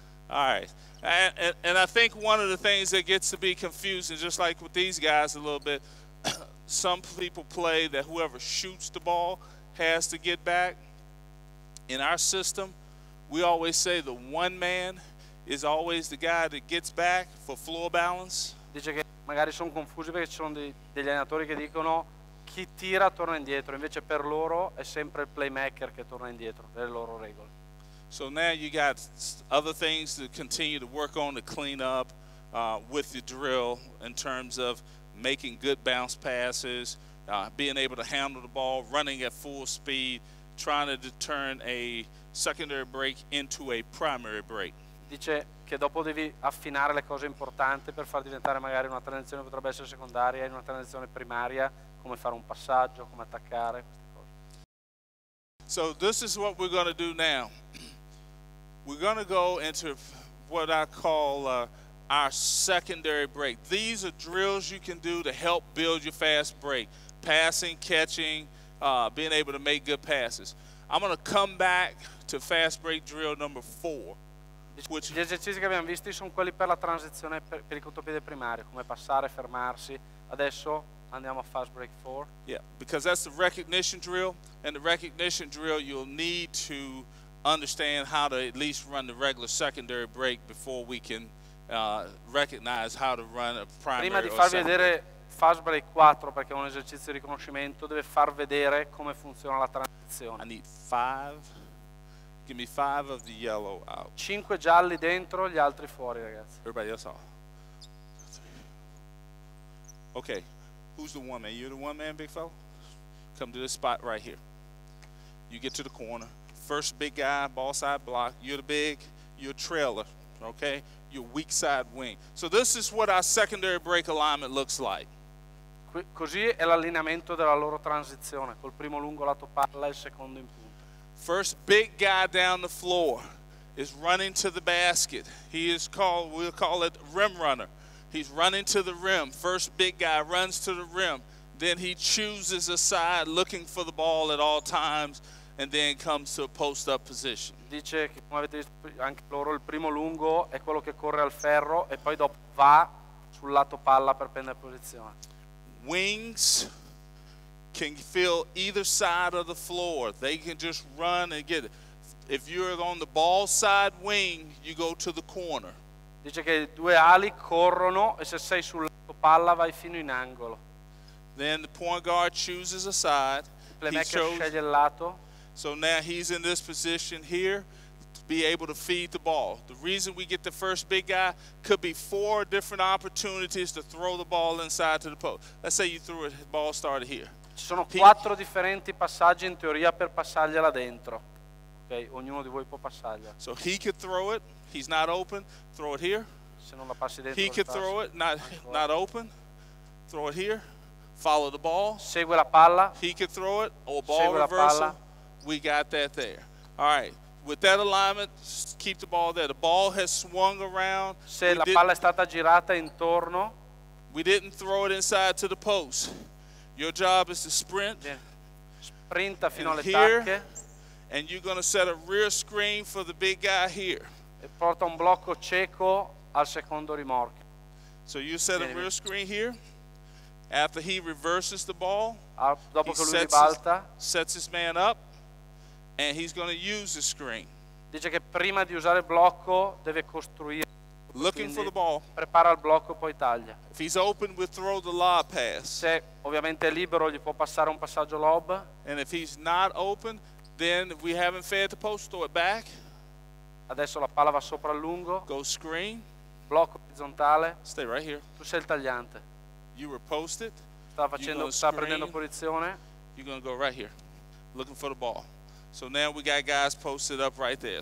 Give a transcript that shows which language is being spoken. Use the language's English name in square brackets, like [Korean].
[English] All right, and I think one of the things that gets to be confusing, just like with these guys a little bit, some people play that whoever shoots the ball has to get back. In our system, we always say the one man is always the guy that gets back for floor balance. [Italian] Dice che magari sono confusi perché ci sono degli allenatori che dicono chi tira torna indietro, invece per loro è sempre il playmaker che torna indietro, delle loro regole. [English] So now you got other things to continue to work on to clean up with the drill in terms of making good bounce passes, being able to handle the ball, running at full speed, trying to turn a secondary break into a primary break. [Italian] Dice che dopo devi affinare le cose importanti per far diventare magari una transizione potrebbe essere secondaria e una transizione primaria, come fare un passaggio, come attaccare. [English] So this is what we're going to do now. We're going to go into what I call our secondary break. These are drills you can do to help build your fast break. Passing, catching, being able to make good passes. I'm going to come back to fast break drill number 4. [Italian] Gli esercizi che abbiamo visti sono quelli per la transizione per il contropiede primario, come passare, fermarsi. Adesso andiamo a fast break 4. [English] Yeah, because that's the recognition drill, and the recognition drill you'll need to understand how to at least run the regular secondary break before we can recognize how to run a primary. [Italian] Prima di farvi vedere fast break 4, perché è un esercizio di riconoscimento, deve far vedere come funziona la transizione. [English] I need 5. Give me 5 of the yellow out. [Italian] 5 gialli dentro, gli altri fuori, ragazzi. [English] Everybody else out. Okay, who's the one man? You're the one man, big fella? Come to this spot right here. You get to the corner. First big guy, ball side block. You're the big, you're trailer, okay? You're weak side wing. So this is what our secondary break alignment looks like. [Italian] Così è l'allineamento della loro transizione, col primo lungo lato palla e il secondo in punta. [English] First big guy down the floor is running to the basket. He is called, we'll call it rim runner. He's running to the rim. First big guy runs to the rim. Then he chooses a side looking for the ball at all times and then comes to a post-up position. [Italian] Dice che, come avete visto anche loro, il primo lungo è quello che corre al ferro e poi dopo va sul lato palla per prendere posizione. [English] Wings can fill either side of the floor. They can just run and get it. If you're on the ball side wing, you go to the corner. [Italian] Dice che due ali corrono e se sei sul lato palla vai fino in angolo. [English] Then the point guard chooses a side. [Italian] Playmaker sceglie il lato. [English] So now he's in this position here to be able to feed the ball. The reason we get the first big guy could be 4 different opportunities to throw the ball inside to the post. Let's say you threw a ball started here. [Italian] Ci sono 4 differenti passaggi in teoria per passargliela dentro. Ok, ognuno di voi può passargliela. [English] So he could throw it, he's not open, throw it here. [Italian] Se non la passi dentro. [English] He could throw it, not open, throw it here. Follow the ball. [Italian] Segue la palla. [English] He could throw it or ball reversal. We got that there. All right. With that alignment, keep the ball there. The ball has swung around. [Italian] Se la palla è stata girata intorno. [English] We didn't throw it inside to the post. Your job is to sprint. [Italian] Sprinta fino alle [English] here, [Italian] tacche. [English] And you're going to set a rear screen for the big guy here. [Italian] E porta un blocco cieco al secondo rimorchio. [English] So you set a rear screen here. After he reverses the ball, [Italian] dopo che lui ribalta, [English] sets his man up, and he's going to use the screen. [Italian] Dice che prima di usare il blocco deve costruire. [English] Looking for the ball. [Italian] Prepara il blocco, poi taglia. [English] If he's open, we throw the lob pass. [Italian] Se ovviamente è libero, gli può passare un passaggio lob. [English] And if he's not open, then if we haven't fed the post, throw it back. [Italian] Adesso la palla va sopra il lungo. [English] Go screen. [Italian] Blocco orizzontale. [English] Stay right here. [Italian] Tu sei il tagliante. [English] You were posted. [Italian] Sta prendendo posizione. [English] You're gonna go right here, looking for the ball. So now we got guys posted up right there.